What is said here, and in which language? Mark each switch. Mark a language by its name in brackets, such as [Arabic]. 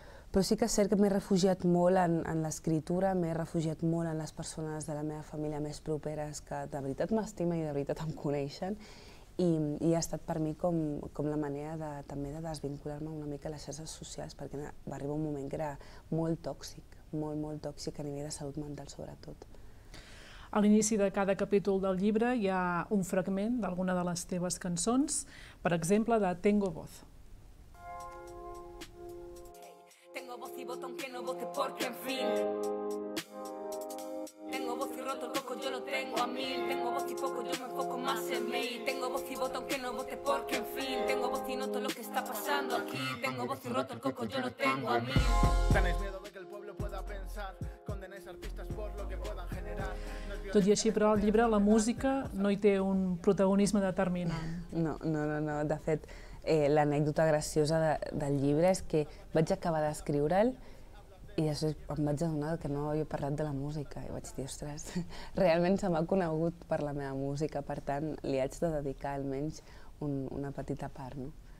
[Catalan] Però sí que és cert que m'he refugiat molt en l'escriptura, m'he refugiat molt en les persones de la meva família més properes que de veritat m'estimen i de veritat em coneixen, i ha estat per mi com la manera també de desvincular-me una mica a les xarxes socials, perquè va arribar un moment que era molt tòxic, molt, molt tòxic a nivell de salut mental, sobretot. A l'inici de cada capítol del llibre hi ha un fragment d'alguna de les teves cançons, per exemple, de Tengo Voz. [Spanish] Tengo voz y voto aunque no vote porque en fin. Tengo voz y roto el coco, yo lo tengo a mil. Tengo voz y poco, yo me enfoco más en mí. Tengo voz y voto aunque no vote porque en fin. Tengo voz y noto lo que está pasando aquí. Tengo voz y roto el coco, yo lo tengo a mil. Tenéis miedo de que el pueblo pueda pensar. Condenéis artistas por lo que puedan generar. [Catalan] Tot i així, però, el llibre, la música, no hi té un protagonisme determinant. No. De fet, l'anècdota graciosa del llibre és que vaig acabar d'escriure'l i després em vaig adonar que no havia parlat de la música. I vaig dir, ostres, realment se m'ha conegut per la meva música, per tant, li haig de dedicar almenys una petita part, no?